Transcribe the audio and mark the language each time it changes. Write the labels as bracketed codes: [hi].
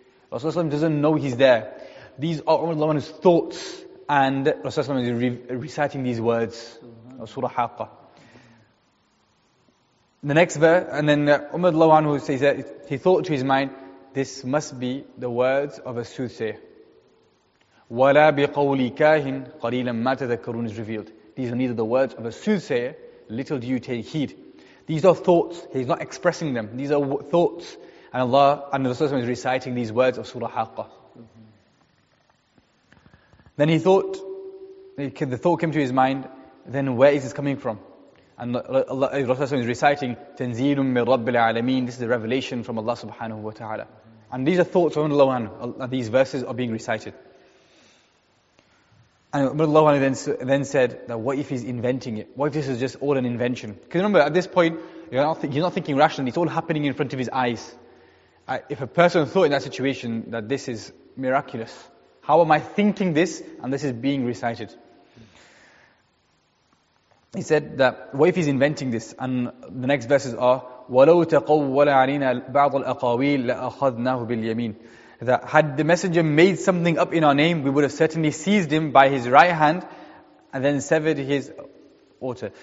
[en] Rasulullah doesn't know he's there. These are Umar radiallahu anhu's thoughts, and Rasulullah is reciting these words of Surah Haqqah. The next verse, and then Umar radiallahu anhu says that he thought to his mind, this must be the words of a soothsayer. [ar] وَلَا بِقَوْلِ كَاهِنْ قَلِيلًا مَا تَذَكَّرُونَ [en] is revealed. These are neither the words of a soothsayer, little do you take heed. These are thoughts, he's not expressing them. These are thoughts, and Allah and the Rasulullah is reciting these words of Surah Haqqah. Mm-hmm. Then he thought, the thought came to his mind, then where is this coming from? And Allah, Rasulullah is reciting, [ar] تَنْزِيلٌ مِنْ رَبِّ الْعَالَمِينَ. [en] This is a revelation from Allah subhanahu wa ta'ala. And these are thoughts of Allah, and these verses are being recited. And Allah then said, that what if he's inventing it? What if this is just all an invention? Because remember, at this point, you're not thinking rationally. It's all happening in front of his eyes. If a person thought in that situation that this is miraculous, how am I thinking this and this is being recited? He said that, what if he's inventing this? And the next verses are, [ar] وَلَوْ تَقَوَّلَ عَلَيْنَا بَعْضُ الْأَقَاوِيلِ لَأَخَذْنَاهُ بِالْيَمِينِ. [en] That had the messenger made something up in our name, we would have certainly seized him by his right hand and then severed his order.